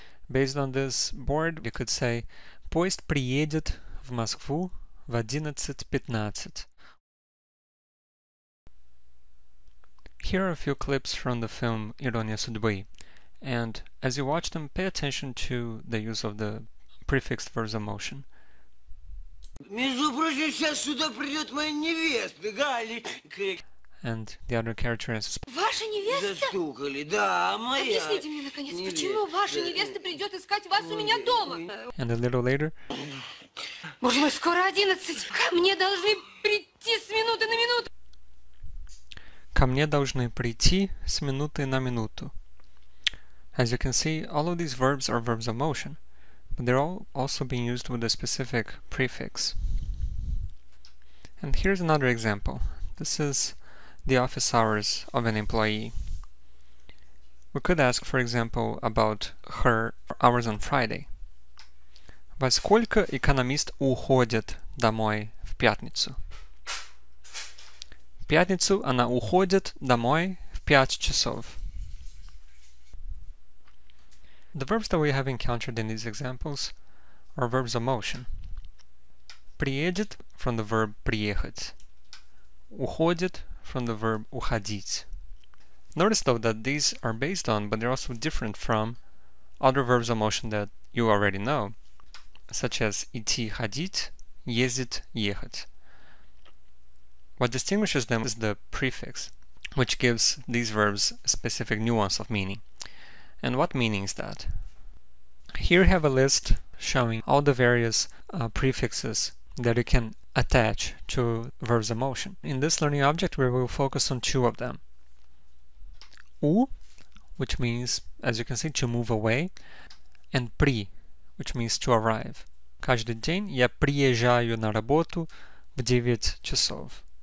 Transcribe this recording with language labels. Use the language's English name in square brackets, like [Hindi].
[English] Based on this board, we could say Poest [Russian] приедет в Москву в 11:15. [English] Here are a few clips from the film Ирония судьбы. And as you watch them, pay attention to the use of the prefixed verbs of motion. [Russian] Между прочим, сейчас сюда придет моя невеста, Галенька. [English] And the other character answers, [Russian] Ваша невеста? Застукали, да, моя. Объясните мне, наконец, невеста. Почему ваша невеста придет искать вас у меня дома? [English] And a little later. [Russian] Боже мой, скоро 11. Ко мне должны прийти с минуты на минуту. Ко мне должны прийти с минуты на минуту. [English] As you can see, all of these verbs are verbs of motion, but they're all also being used with a specific prefix. And here's another example. This is the office hours of an employee. We could ask, for example, about her hours on Friday. [Russian] Во сколько экономист уходит домой в пятницу? В пятницу она уходит домой в 5 часов. [English] The verbs that we have encountered in these examples are verbs of motion. Приедет from the verb приехать. Уходит from the verb уходить. Notice though that these are based on, but they're also different from, other verbs of motion that you already know, such as идти ходить, ездить ехать. What distinguishes them is the prefix, which gives these verbs a specific nuance of meaning. And what meaning is that? Here we have a list showing all the various prefixes that you can attach to verbs of motion. In this learning object, we will focus on two of them. U, which means, as you can see, to move away, and pri, which means to arrive. [Russian] Каждый день я приезжаю на работу в 9 часов.